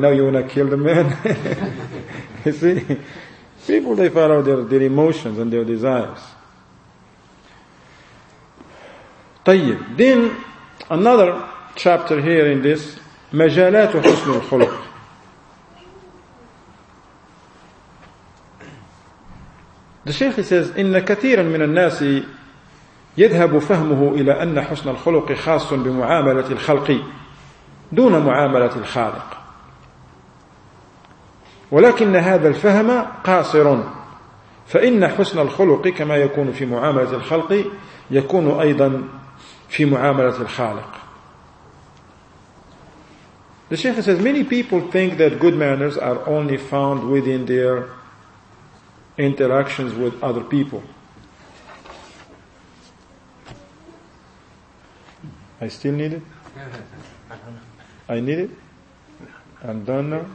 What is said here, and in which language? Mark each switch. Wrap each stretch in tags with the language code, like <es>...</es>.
<en>Now you want to kill the man? You see? People, they follow their emotions and their desires.</en> <ar>طيب.</ar> <en>Then, another chapter here in this,</en> <ar>مجالات حسن الخلق.</ar> <en>The Sheikh says,</en> <ar>إِنَّ كَثِيرًا مِنَ النَّاسِ يَذْهَبُ فَهْمُهُ إِلَىٰ أَنَّ حُسْنَ الْخُلُقِ خَاصٌ بِمُعَامَلَةِ الْخَلْقِ دُونَ مُعَامَلَةِ الْخَالِقِ ولكن هذا الفهم قاصر فإن حسن الخلق كما يكون في معاملة الخلق يكون أيضا في معاملة الخالق.</ar> <en>The Sheikh says many people think that good manners are only found within their interactions with other people. I still need it? I need it? I'm done now?</en>